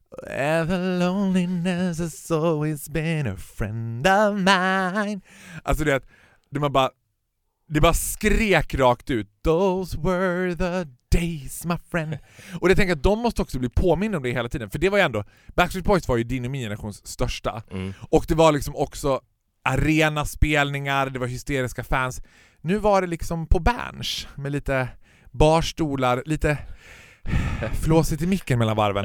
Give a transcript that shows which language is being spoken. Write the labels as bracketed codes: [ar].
[en] The loneliness has always been a friend of mine. [sv] Alltså det är att det bara skrek rakt ut. [en] Those were the days, my friend. [sv] Och jag tänker att de måste också bli påminna om det hela tiden. För det var ju ändå, Backstreet Boys var ju din och min generations största. Mm. Och det var liksom också arenaspelningar, det var hysteriska fans. Nu var det liksom på Berns med lite barstolar, lite flåsigt i micken mellan varven.